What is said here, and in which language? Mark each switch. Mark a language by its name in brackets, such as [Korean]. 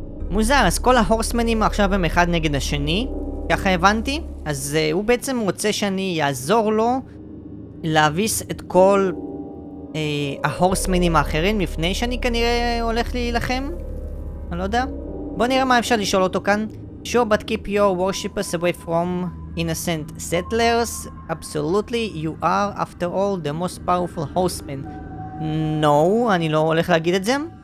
[Hebrew] מוזר, אז כל ההורסמנים עכשיו הם אחד נגד השני. ככה הבנתי. אז הוא בעצם רוצה שאני יעזור לו להביס את כל ההורסמנים האחרים לפני שאני כנראה הולך להילחם. אני לא יודע. בוא נראה מה אפשר לשאול אותו כאן. [English] Sure, but keep your worshippers away from innocent settlers. Absolutely, you are, after all, the most powerful horseman. [Hebrew] No, אני לא הולך להגיד את זה.